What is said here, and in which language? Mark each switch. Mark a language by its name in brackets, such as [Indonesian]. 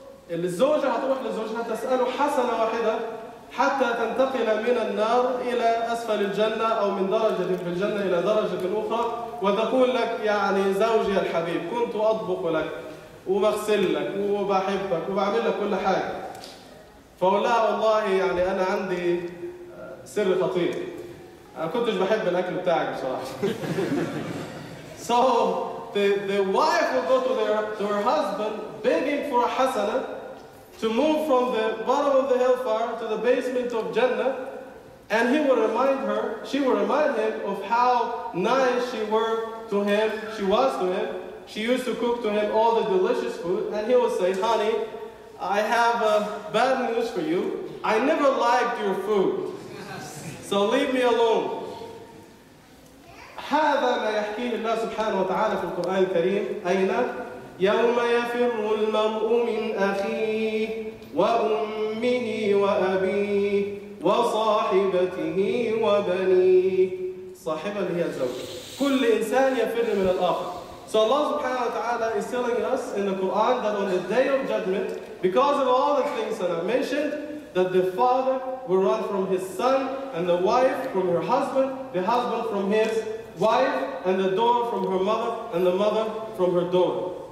[Arabic] اللي الزوج هتروح لزوجها تسأله حسنة واحدة حتى تنتقل من النار إلى أسفل الجنة أو من درجة في الجنة إلى درجة أخرى وتقول لك يعني زوجي الحبيب كنت أطبخ لك وبغسل لك وبحبك وبعمل لك كل حاجة فأقول لها والله يعني أنا عندي سر خطير أنا كنتش بحب الأكل بتاعك بصراحة. [English] So the wife will go to her husband begging for a hasana to move from the bottom of the hellfire to the basement of Jannah, and he will remind her, she will remind him of how nice she was to him. She used to cook to him all the delicious food, and he will say, honey, I have bad news for you. I never liked your food, so leave me alone. [Arabic] هذا ما يحكيه الله سبحانه وتعالى في القرآن الكريم أين؟ يوم يفر المرء من أخيه وأمه وأبيه وصاحبته وبنيه صاحبة هي الزوجة كل إنسان يفر من الآخر. [English] So Allah subhanahu wa ta'ala is telling us in the Quran that on the day of judgment, because of all the things that I mentioned, that the father will run from his son, and the wife from her husband, the husband from his wife, and the daughter from her mother, and the mother from her daughter.